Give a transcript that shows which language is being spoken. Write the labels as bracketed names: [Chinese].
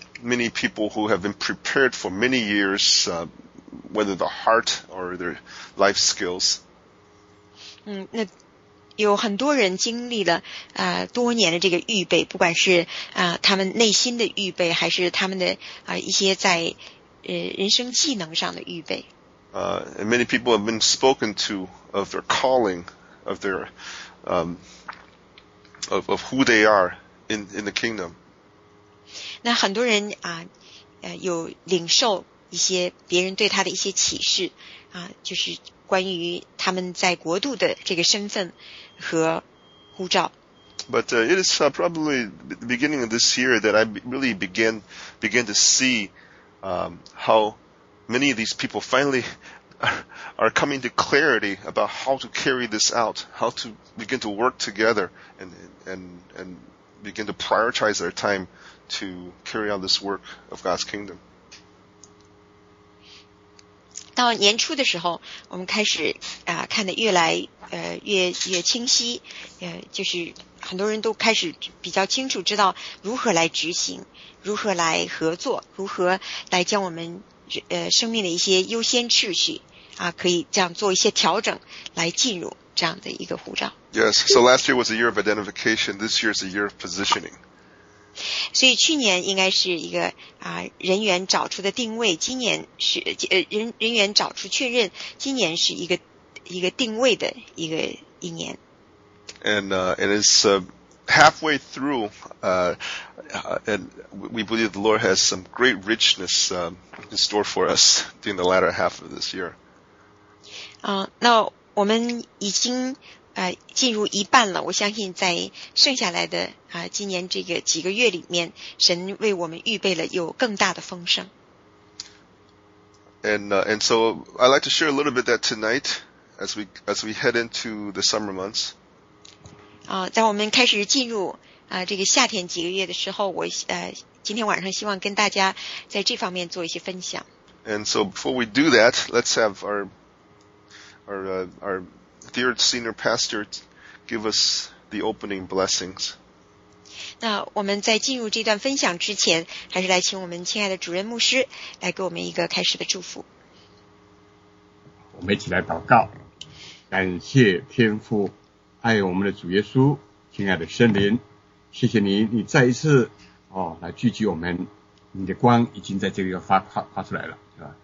[English] Many people who have been prepared for many years, whether the heart or their life skills. [Chinese] 那有很多人经历了多年的这个预备，不管是他们内心的预备，还是他们的一些在人生技能上的预备。 [English] And many people have been spoken to of their calling, of their of who they are in the kingdom. [Chinese] 那很多人有领受一些别人对他的一些启示就是关于他们在国度的这个身份和呼召。 [English] But it is probably the beginning of this year that I really began to see how many of these people finally are coming to clarity about how to carry this out, how to begin to work together and begin to prioritize their time to carry out this work of God's kingdom. [Chinese] 到年初的时候我们开始看得越来越清晰就是很多人都开始比较清楚知道如何来执行，如何来合作，如何来将我们生命的一些优先秩序啊，可以这样做一些调整来进入这样的一个护照。 [English] Yes, so last year was a year of identification. This year is a year of positioning. [Chinese] 所以去年应该是一个啊人员找出的定位，今年是人员找出确认，今年是一个定位的一年。 [English] And it's halfway through, and we believe the Lord has some great richness in store for us during the latter half of this year. [Chinese] 那我们已经进入一半了，我相信在剩下来的今年这个几个月里面，神为我们预备了有更大的丰盛。 [English] And so I'd like to share a little bit of that tonight as we head into the summer months. [Chinese] 在我们开始进入这个夏天几个月的时候，我今天晚上希望跟大家在这方面做一些分享。 [English] And so before we do that, let's have our dear senior pastor give us the opening blessings. [Chinese] 那我们在进入这段分享之前，还是来请我们亲爱的主任牧师来给我们一个开始的祝福。我们一起来祷告。感谢天父，爱我们的主耶稣，亲爱的圣灵，谢谢你，你再一次来聚集我们，你的光已经在这里发出来了，是吧？